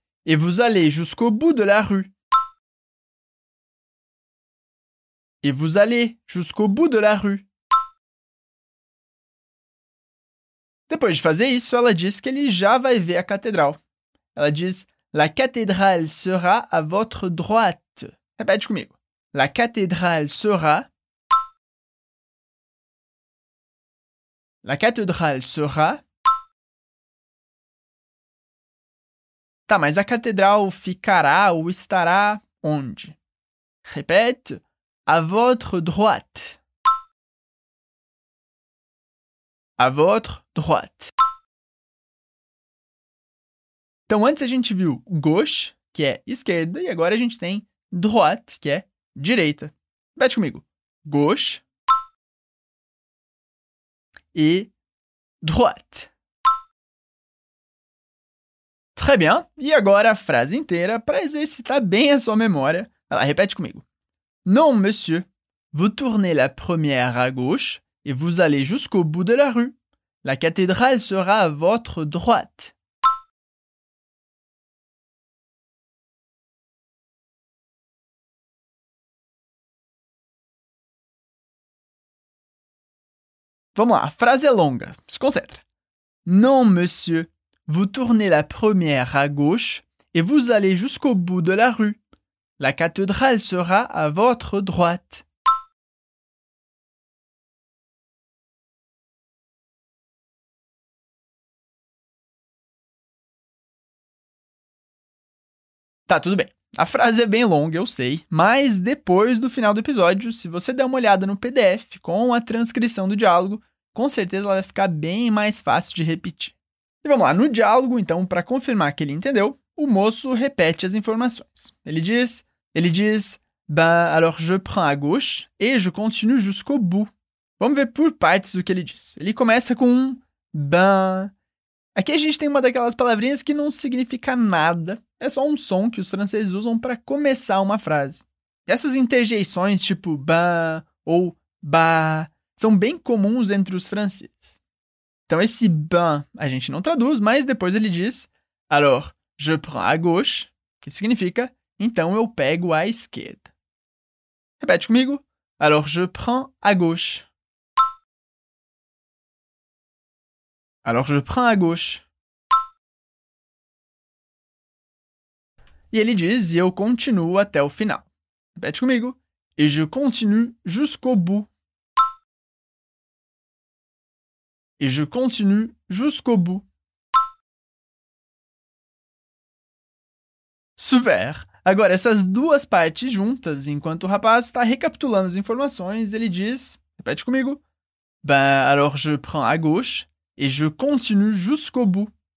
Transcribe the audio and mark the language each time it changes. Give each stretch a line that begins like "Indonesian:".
French: Et vous allez jusqu'au bout de la rue. Et vous allez jusqu'au bout de la rue.
Portuguese: Depois de fazer isso, ela diz que ele já vai ver a catedral. Ela diz,
French: la cathédrale sera à votre droite.
Portuguese: Repete comigo.
French: La cathédrale sera. La cathédrale sera.
Portuguese: Tá, mas a catedral ficará ou estará onde? Repete.
French: À votre droite. À votre droite.
Portuguese: Então, antes a gente viu gauche, que é esquerda, e agora a gente tem droite, que é direita. Repete comigo. Gauche. E droite.
French: Très bien.
Portuguese: E agora a frase inteira para exercitar bem a sua memória. Vai lá, repete comigo.
French: Non, monsieur. Vous tournez la première à gauche et vous allez jusqu'au bout de la rue. La cathédrale sera à votre droite.
Portuguese: Vamos lá, a frase é longa. Se concentra.
French: Non, monsieur. Vous tournez la première à gauche et vous allez jusqu'au bout de la rue. La cathédrale sera à votre droite.
Portuguese: Tá, tudo bem. A frase é bem longa, eu sei, mas depois do final do episódio, se você der uma olhada no PDF com a transcrição do diálogo, com certeza ela vai ficar bem mais fácil de repetir. E vamos lá, no diálogo, então, para confirmar que ele entendeu, o moço repete as informações. Ele diz,
French: ben, alors je prends à gauche et je continue jusqu'au bout.
Portuguese: Vamos ver por partes o que ele diz. Ele começa com um ben. Aqui a gente tem uma daquelas palavrinhas que não significa nada. É só um som que os franceses usam para começar uma frase. E essas interjeições, tipo ben ou ba, são bem comuns entre os franceses. Então, esse ben a gente não traduz, mas depois ele diz
French: alors, je prends à gauche,
Portuguese: que significa então eu pego à esquerda. Repete comigo.
French: Alors, je prends à gauche. Alors, je prends à gauche.
Portuguese: E ele diz e eu continuo até o final. Repete comigo.
French: Et je continue jusqu'au bout. Et je continue jusqu'au bout.
Portuguese: Super! Agora, essas duas partes juntas, enquanto o rapaz está recapitulando as informações, ele diz, repete comigo,
French: ben, alors je prends à gauche et je continue jusqu'au bout.